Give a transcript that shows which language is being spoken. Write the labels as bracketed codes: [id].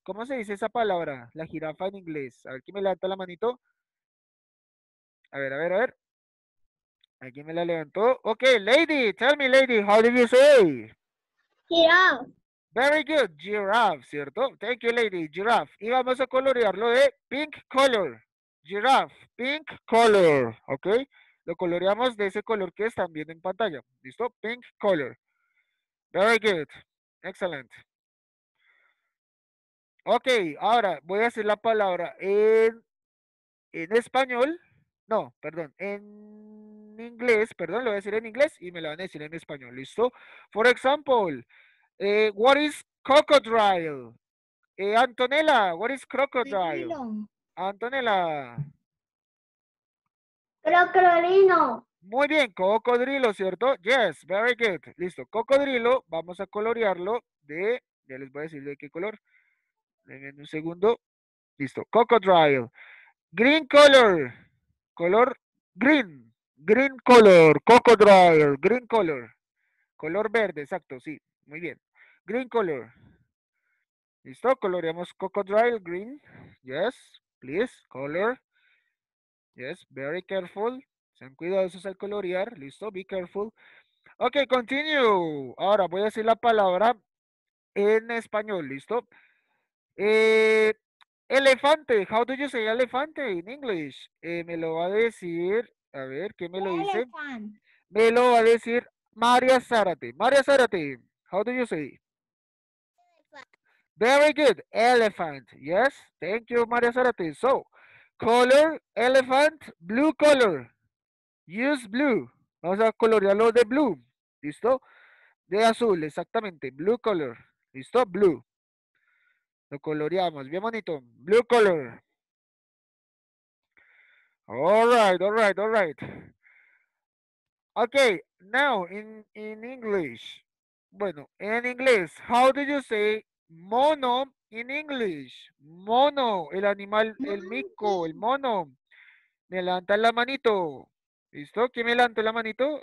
[es] ¿Cómo se dice esa palabra? La jirafa en inglés. A ver, ¿quién me levanta la manito? A ver, a ver, a ver. Aquí me la levantó. [en] Ok, lady, tell me, lady, how do you say? Giraffe. Very good, giraffe, ¿cierto? Thank you, lady, giraffe. [es] Y vamos a colorearlo de [en] pink color. Giraffe, pink color, [es] ¿ok? Lo coloreamos de ese color que están viendo en pantalla, ¿listo? Pink color. [en] Very good, excellent. [es] Ok, ahora voy a hacer la palabra en español. No, perdón, en... inglés, perdón, lo voy a decir en inglés y me lo van a decir en español, ¿listo? [en] For example, what is crocodile? Antonella, what is crocodile? [es] Crocodilo. Antonella. Crocodilo. Muy bien, cocodrilo, ¿cierto? [en] Yes, very good. [es] Listo, cocodrilo, vamos a colorearlo de, ya les voy a decir de qué color. Denme un segundo. Listo. Cocodrilo. [en] Green color. Color green. Green color. Cocodrilo. Green color. [es] Color verde, exacto, sí. Muy bien. [en] Green color. [es] Listo. Coloreamos cocodrilo [en] green. Yes. Please. Color. Yes. Very careful. [es] Sean cuidadosos al colorear. Listo. [en] Be careful. Ok, continue. [es] Ahora voy a decir la palabra en español. Listo. Elefante. [en] How do you say elefante in English? [es] Me lo va a decir. A ver, ¿qué me lo dice? Me lo va a decir María Zárate. [en] María Zárate, how do you say? Elefant. Very good. Elephant. Yes. Thank you, María Zárate. So, color, elephant, blue color. Use blue. [es] Vamos a colorearlo de blue. ¿Listo? De azul, exactamente. [en] Blue color. [es] ¿Listo? Blue. Lo coloreamos. Bien bonito. [en] Blue color. All right. Okay, now in English. [es] Bueno, en inglés. [en] How do you say mono in English? [es] Mono, el animal, el mico, el mono. Me levanta la manito. ¿Listo? ¿Quién me levanta la manito?